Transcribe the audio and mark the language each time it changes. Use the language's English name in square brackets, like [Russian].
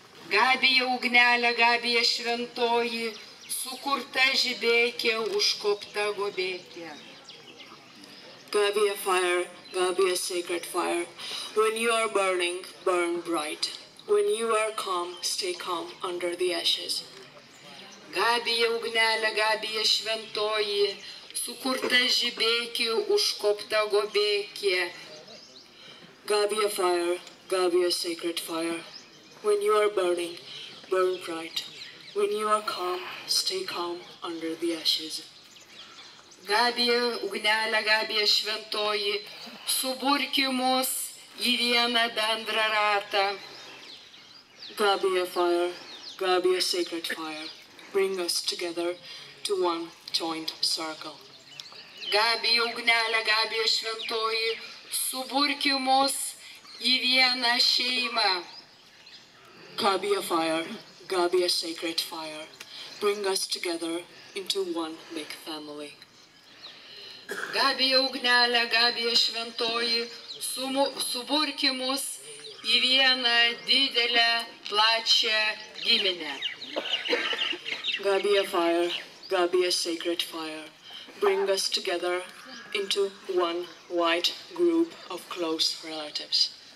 [Lithuanian] Gabija ugnelė, Gabija šventoji, sukurta žibėkė, užkopta gobėkė. [English] Gabija fire, Gabija sacred fire, when you are burning, burn bright. When you are calm, stay calm under the ashes. [Lithuanian] Gabija ugnelė, Gabija šventoji, sukurta žibėkė, užkopta gobėkė. [English] Gabija fire, Gabija sacred fire, when you are burning, burn bright. When you are calm, stay calm under the ashes. [Lithuanian] Gabija ugnelė, Gabija šventoji, suburki mus į vieną bendrą ratą. [English] Gabija fire, Gabija sacred fire, bring us together to one joint circle. [Lithuanian] Gabija ugnelė, Gabija šventoji, suburki mus į vieną šeimą. [English] Gabija fire, Gabija sacred fire, bring us together into one big family. [Lithuanian] Gabija ugnelė, Gabija šventoji, suburki mus į vieną didelę, plačią giminę. [English] Gabija fire, Gabija sacred fire, bring us together into one wide group of close relatives.